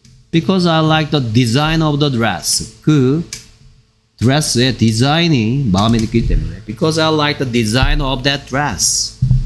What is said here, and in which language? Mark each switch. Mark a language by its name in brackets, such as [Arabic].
[English] Because I like the design of the dress. [Korean] 그 드레스의 디자인이 마음에 들기 때문에. [English] Because I like the design of that dress.